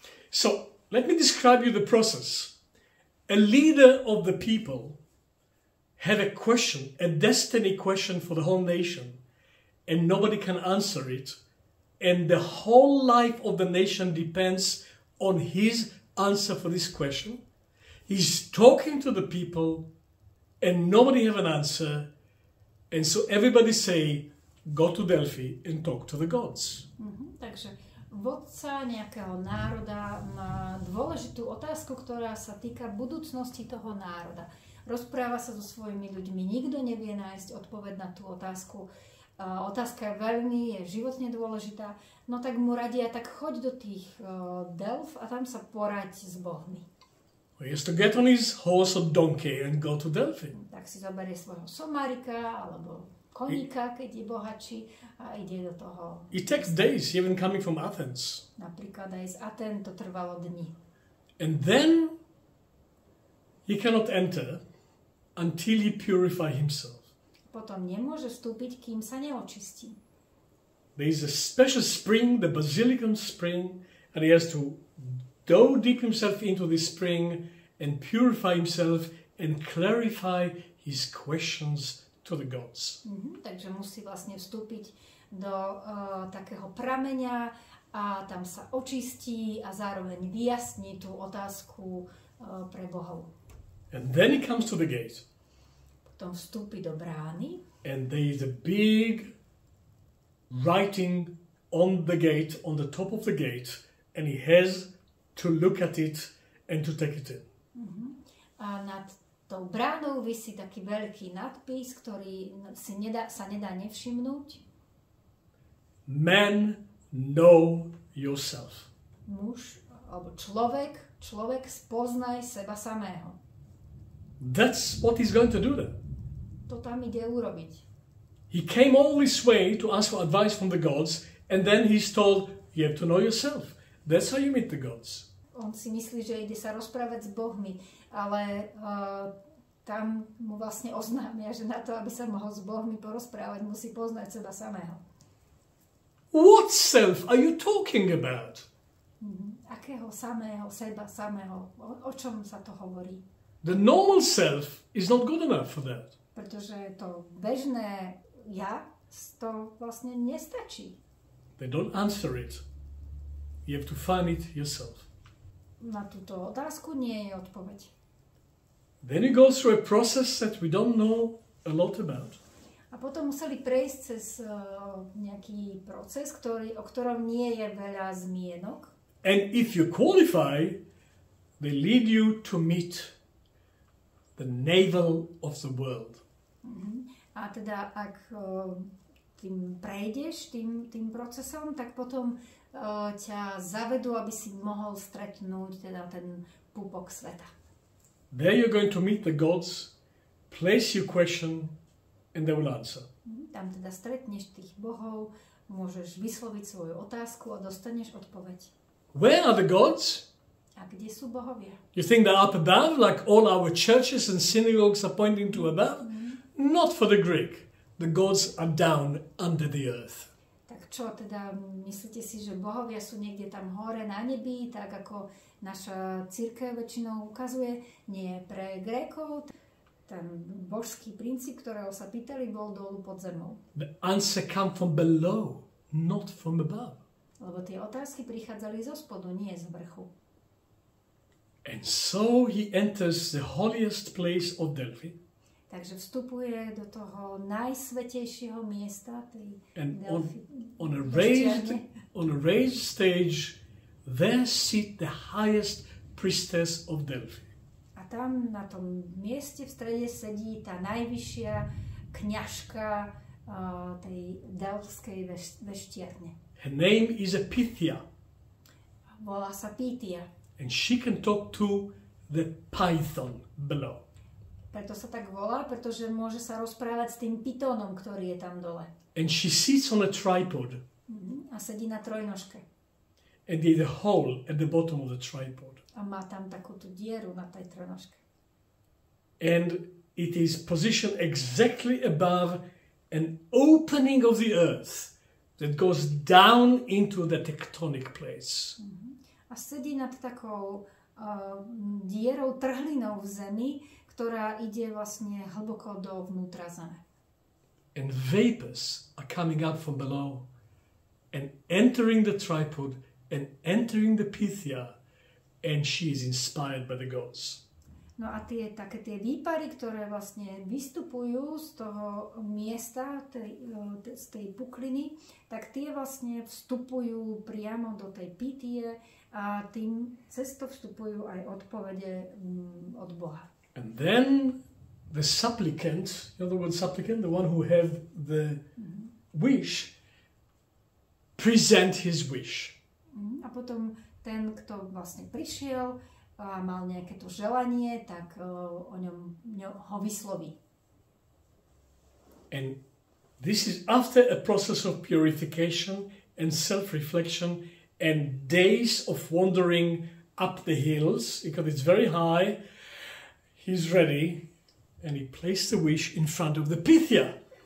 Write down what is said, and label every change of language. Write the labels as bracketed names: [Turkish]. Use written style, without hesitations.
[English] So, let me describe you the process. A leader of the people had a question, a destiny question for the whole nation. And nobody can answer it. And the whole life of the nation depends on his answer for this question. He's talking to the people and nobody have an answer. And so everybody say, go to Delphi and talk to the gods. Mm-hmm. [Slovak] Takže vodca nejakého národa má dôležitú otázku, ktorá sa týka budúcnosti toho národa. Rozpráva sa so svojimi ľuďmi. Nikto nevie nájsť odpoveď na tú otázku. Otázka je veľmi, je životne dôležitá, no tak mu radia, tak choď do tých Delf a tam sa poraď s Bohmi. [English] He has to get on his horse or donkey and go to Delphi. [Slovak] Tak si zoberie svojho somarika alebo koníka, keď je bohačí a ide do toho. [English] It takes days, even coming from Athens. [Slovak] Napríklad aj z Aten to trvalo dni. [English] And then he cannot enter until he purify himself. [Slovak] Potom nemôže vstúpiť, kým sa neočistí. [English] There is a special spring, the basilicum spring, and he has to go deep himself into this spring and purify himself and clarify his questions to the gods. [Slovak] Mm-hmm, takže musí vlastne vstúpiť do takého prameňa a tam sa očistí a zároveň vyjasní tú otázku pre bohov. [English] And then he comes to the gate. [Slovak] Tom vstúpi do brány. [English] And there is a big writing on the gate, on the top of the gate, and he has to look at it and to take it in. Uh-huh. [Slovak] A nad tou bránou visí taký veľký nadpis, ktorý si nedá, sa nedá nevšimnúť. [English] Man, know yourself. [Slovak] Muž, alebo človek, človek, spoznaj seba samého. [English] That's what he's going to do then. [Slovak] To tam ide urobiť. [English] He came all this way to ask for advice from the gods and then he's told, you have to know yourself. That's how you meet the gods. [Slovak] On si myslí, že ide sa rozprávať s bohmi, ale tam mu vlastne oznámia, že na to, aby sa mohol s bohmi porozprávať, musí poznať seba samého. [English] What self are you talking about? [Slovak] Akého samého, seba samého? O čom sa to hovorí? [English] The normal self is not good enough for that. [Slovak] Pretože to bežné ja to vlastne nestačí. [English] They don't answer it. You have to find it yourself. [Slovak] Na túto otázku nie je odpoveď. [English] Then you go through a process that we don't know a lot about. [Slovak] A potom museli prejsť cez nejaký proces, ktorý, o ktorom nie je veľa zmienok. [English] And if you qualify, they lead you to meet the navel of the world. [Slovak] Mm-hmm. A teda, ak tým prejdeš, tým procesom, tak potom ťa zavedú, aby si mohol stretnúť teda ten pupok sveta. [English] There you're going to meet the gods, place your question, and they will answer. [Slovak] Tam teda stretneš tých bohov, môžeš vysloviť svoju otázku a dostaneš odpoveď. [English] Where are the gods? [Slovak] A kde sú bohovia? [English] You think they're up above, like all our churches and synagogues are pointing to above? Mm-hmm. Not for the Greek. The gods are down under the earth. [Slovak] Tak čo, teda myslíte si, že bohovia sú niekde tam hore na nebi, tak ako naša cirkev väčšinou ukazuje, nie pre Grékov. Ten božský princíp, ktorého sa pýtali, bol dolu pod zemou. [English] The answer come from below, not from above. [Slovak] Lebo tie otázky prichádzali zo spodu, nie z vrchu. [English] And so he enters the holiest place of Delphi. [Slovak] Takže vstupuje do toho najsvetejšieho miesta tej Delphi. [English] And on a raised stage, there sit the highest priestess of Delphi. [Slovak] A tam na tom mieste v strede sedí tá najvyššia kňažka tej delfskej veštiarne. [English] Her name is Pythia. [Slovak] Volá sa Pythia. [English] And she can talk to the python below. [Slovak] Preto sa tak volá, pretože môže sa rozprávať s tým pitónom, ktorý je tam dole. [English] And she sits on a tripod. [Slovak] A sedí na trojnožke. [English] And there's a hole at the bottom of the tripod. [Slovak] A má tam takúto dieru na tej trojnožke. [English] And it is positioned exactly above an opening of the earth that goes down into the tectonic plates. [Slovak] A sedí nad takou dierou, trhlinou v zemi, ktorá ide vlastne hlboko do vnútra zeme. [English] And vapors are coming up from below and entering the tripod and entering the Pythia, and she is inspired by the gods. [Slovak] No a tie také tie výpary, ktoré vlastne vystupujú z toho miesta, z tej pukliny, tak tie vlastne vstupujú priamo do tej Pythie a tým cesto vstupujú aj odpovede od Boha. [English] And then the supplicant, in other words, supplicant, the one who have the wish, present his wish. [Slovak] A potom ten, kto vlastne prišiel a mal nejaké to želanie, tak o ňom ho vysloví. [English] And this is after a process of purification and self-reflection and days of wandering up the hills, because it's very high. He's ready, and he placed the wish in front of the Pythia.